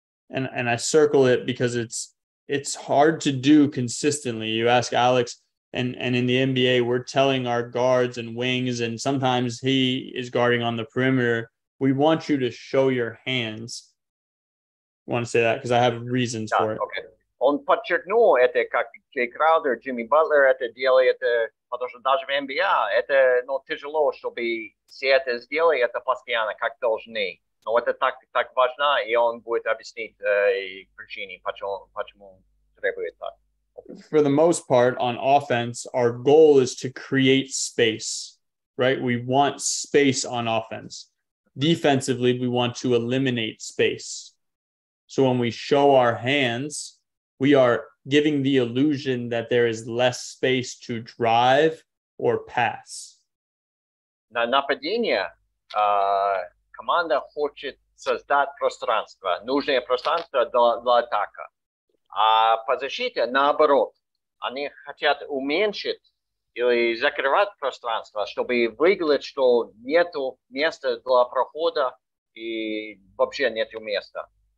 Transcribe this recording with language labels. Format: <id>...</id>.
<en>And I circle it because it's hard to do consistently. You ask Alex, and in the NBA, we're telling our guards and wings, and sometimes he is guarding on the perimeter, we want you to show your hands. I want to say that because I have reasons for it. Okay.</en> <ru>Он подчеркнул это, как Джей Краудер, Джимми Батлер это делали, это, потому что даже в NBA это, ну, тяжело, чтобы все это сделали, это постоянно, как должны. Но это так важно, и он будет объяснить причине, почему он требует так.</ru> <en>For the most part, on offense, our goal is to create space, right? We want space on offense. Defensively, we want to eliminate space. So when we show our hands, we are giving the illusion that there is less space to drive or pass.</en> <ru>На нападение... Команда хочет создать пространство, нужное пространство для атака. А по защите, наоборот, они хотят уменьшить или закрывать пространство, чтобы выглядеть, что нет места для прохода и вообще нет места.</ru>